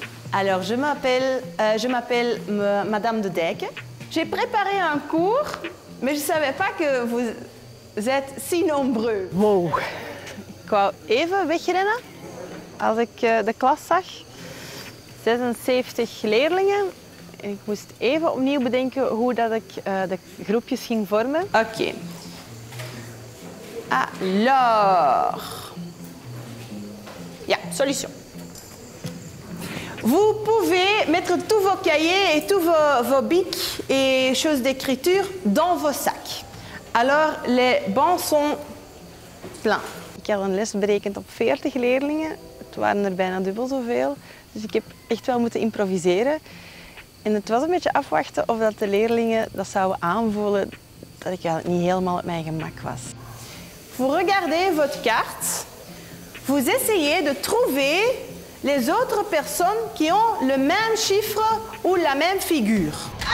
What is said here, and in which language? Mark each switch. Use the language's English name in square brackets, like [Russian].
[French] Alors, je m'appelle Madame de Dijk. J'ai préparé un cours, mais je ne savais pas que vous êtes si nombreux. Wow. [Dutch] Ik wou even wegrennen als ik de klas zag. 76 leerlingen. Ik moest even opnieuw bedenken hoe dat ik de groepjes ging vormen. [French] Oké. Alors. Ja, solution. Vous pouvez mettre tous vos cahiers et tous vos bics et choses d'écriture dans vos sacs. Alors, les bancs sont pleins. [Dutch] Ik had een les berekend op 40 leerlingen. Het waren er bijna dubbel zoveel. Dus ik heb echt wel moeten improviseren. En het was een beetje afwachten of dat de leerlingen dat zouden aanvoelen dat ik eigenlijk niet helemaal op mijn gemak was. [French] Vous regardez votre carte. Vous essayez de trouver les autres personnes qui ont le même chiffre ou la même figure.